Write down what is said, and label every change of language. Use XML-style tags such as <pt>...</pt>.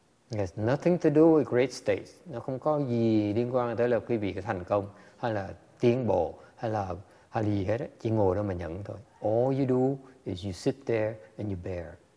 <en>It has nothing to do with great states.</en> <vi>Nó không có gì liên quan tới là quý vị thành công hay là tiến bộ hay là gì hết. Ấy. Chỉ ngồi đó mà nhẫn thôi.</vi> <en>All you do is you sit there and you bear.</en>